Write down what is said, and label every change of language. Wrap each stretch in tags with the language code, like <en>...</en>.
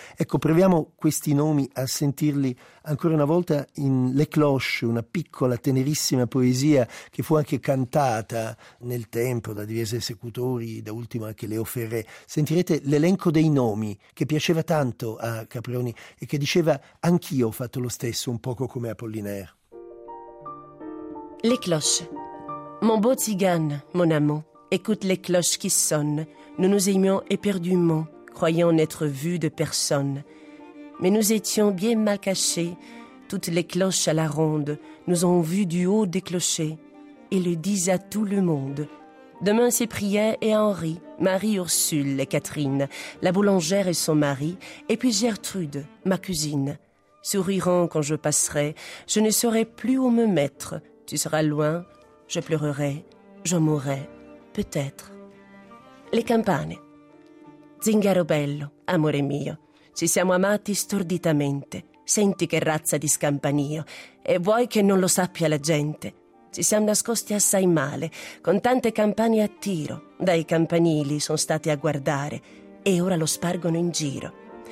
<it>Ecco, proviamo questi nomi a sentirli ancora una volta in Le Cloche, una piccola, tenerissima poesia che fu anche cantata nel tempo da diversi esecutori, da ultimo anche Leo Ferré. Sentirete l'elenco dei nomi che piaceva tanto a Caproni e che diceva: anch'io ho fatto lo stesso, un poco come Apollinaire.</it> <fr>Les cloches. Mon beau tzigane, mon amant, écoute les cloches qui sonnent. Nous nous aimions éperdument, croyant n'être vus de personne. Mais nous étions bien mal cachés. Toutes les cloches à la ronde nous ont vus du haut des clochers et le disent à tout le monde. Demain, c'est Priet et Henri, Marie-Ursule et Catherine, la boulangère et son mari, et puis Gertrude, ma cousine. Souriront quand je passerai, je ne saurai plus où me mettre. Tu seras loin, je pleurerai, je mourrai, peut-être.</fr> <it>Les campanes. Zingaro bello, amore mio, ci siamo amati storditamente. Senti che razza di scampanio, e vuoi che non lo sappia la gente? Ci siamo nascosti assai male, con tante campane a tiro. Dai campanili sono stati a guardare, e ora lo spargono in giro.</it>